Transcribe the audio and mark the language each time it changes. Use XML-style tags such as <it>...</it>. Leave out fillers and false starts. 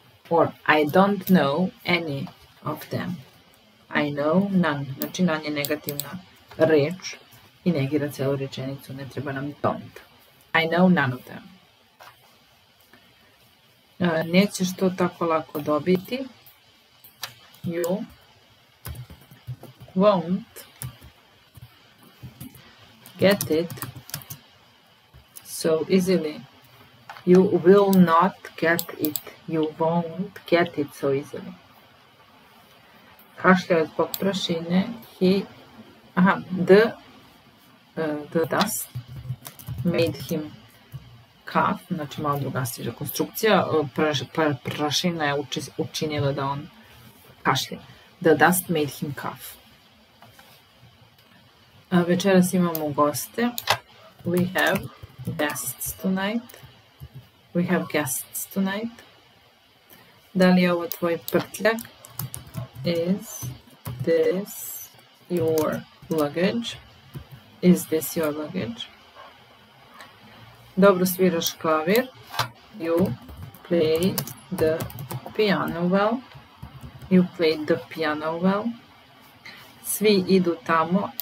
<en>Or I don't know any of them. I know none.</en> <sr>Znači none je negativna reč i negira celu rečenicu. Ne treba nam</sr> <en>don't. I know none of them.</en> <sr>Nećeš to tako lako dobiti.</sr> <en>You won't get it so easily. You will not get it. You won't get it so easily.</en> <sr>Kašlja je zbog prašine.</sr> <en>He, the dust made him cough.</en> <sr>Znači malo drugačija konstrukcija. Prašina je učinila da on kašlje.</sr> <en>The dust made him cough.</en> <sr>Večeras imamo goste.</sr> <en>We have guests tonight. We have guests tonight.</en> <sr>Da li je ovo tvoj prtljak?</sr> <en>Is this your luggage? Is this your luggage?</en> <sr>Dobro sviraš klavir.</sr> <en>You play the piano well. You play the piano well.</en> <sr>Svi idu tamo.</sr>